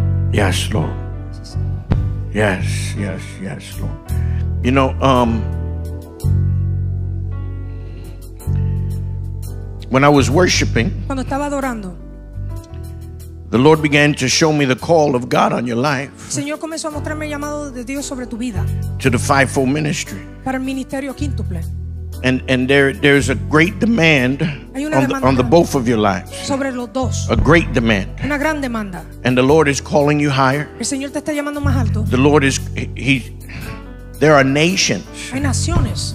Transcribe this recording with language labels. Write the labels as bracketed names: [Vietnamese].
[English] Yes, Lord. Yes, yes, yes, Lord. You know, when I was worshiping, [Spanish] cuando estaba adorando, [English] the Lord began to show me the call of God on your life. [Spanish] Señor comenzó a mostrarme el llamado de Dios sobre tu vida. [English] To the fivefold ministry. [Spanish] Para el ministerio quíntuple. [English] And there's a great demand on the both of your lives. [Spanish] Sobre los dos. [English] A great demand. [Spanish] Una gran demanda. [English] And the Lord is calling you higher. [Spanish] El Señor te está llamando más alto. [English] The Lord is there are nations. [Spanish] Hay naciones.